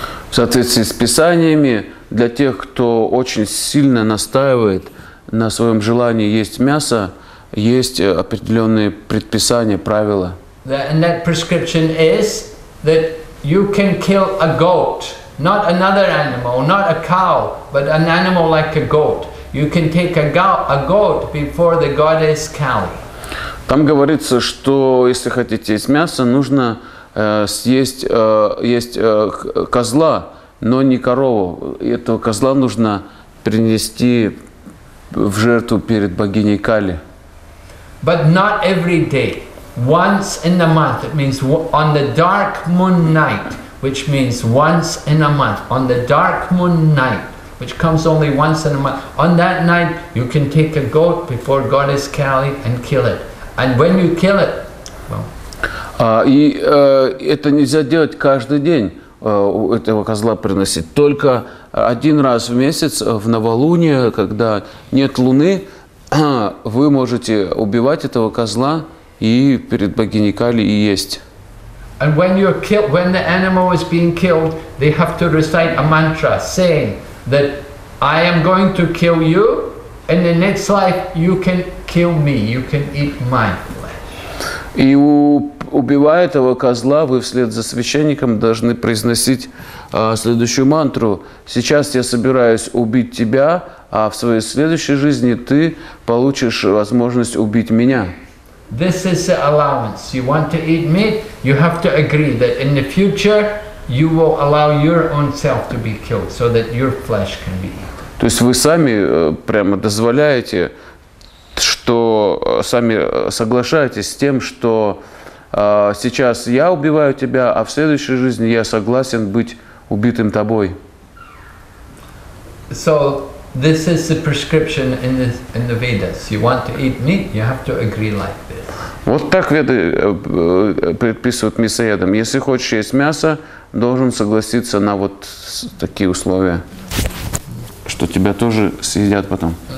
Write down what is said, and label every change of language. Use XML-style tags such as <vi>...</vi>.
<ru>В соответствии с писаниями, для тех, кто очень сильно настаивает на своем желании есть мясо, есть определенные предписания, правила.</ru> <en>And that prescription is that you can kill a goat, not another animal, not a cow, but an animal like a goat. You can take a goat before the goddess Kali.</en> <ru>Там говорится, что если хотите есть мясо, нужно съесть козла, но не корову. Этого козла нужно принести в жертву перед богиней Кали.</ru> <en>But not every day. Once in the month, it means on the dark moon night, which means once in a month, on the dark moon night, which comes only once in a month, on that night you can take a goat before goddess Kali and kill it. And when you kill it,</en> <ru>это нельзя делать каждый день, этого козла приносить. Только один раз в месяц, в новолуние, когда нет луны, вы можете убивать этого козла и перед богиней Кали и есть.</ru> <en>And when you're killed, when the animal is being killed, they have to recite a mantra saying that I am going to kill you, in the next life you can kill me, you can eat my flesh.</en> <ru>И убивая этого козла, вы вслед за священником должны произносить следующую мантру. Сейчас я собираюсь убить тебя, а в своей следующей жизни ты получишь возможность убить меня.</ru> <en>This is the allowance. You want to eat meat, you have to agree that in the future you will allow your own self to be killed so that your flesh can be eaten.</en> <ru>То есть вы сами прямо дозволяете, что сами соглашаетесь с тем, что сейчас я убиваю тебя, а в следующей жизни я согласен быть убитым тобой.</ru> <en>So this is the prescription in the Vedas. You want to eat meat, you have to agree like this.</en> <ru>Вот так Веды предписывают мясоедам. Если хочешь есть мясо, должен согласиться на вот такие условия, что тебя тоже съедят потом.</ru>